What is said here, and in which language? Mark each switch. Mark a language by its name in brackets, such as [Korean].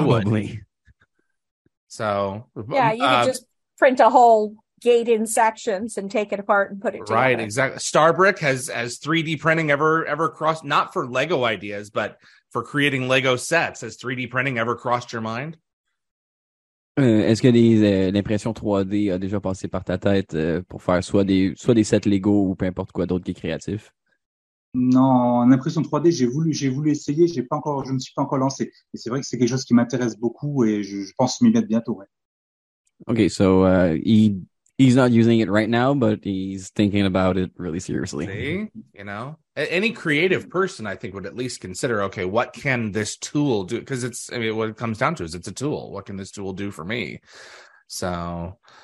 [English] I would. So yeah, you can just print a whole gate in sections and take it apart and put it together. Right, exactly. Starbrick, has 3D printing ever crossed, not for Lego ideas, but for creating Lego sets, has 3D printing ever crossed your mind? [French] Est-ce que l'impression 3D a déjà passé par ta tête pour faire soit des sets Lego ou peu importe quoi d'autre qui est créatif? Non, en impression 3D, j'ai voulu essayer, je ne me suis pas encore lancé. Et c'est vrai que c'est quelque chose qui m'intéresse beaucoup et je pense m'y mettre bientôt, ouais. [English] Okay, so he's not using it right now, but he's thinking about it really seriously. See? You know, any creative person, I think, would at least consider, okay, what can this tool do? Because it's, I mean, what it comes down to is it's a tool. What can this tool do for me? So,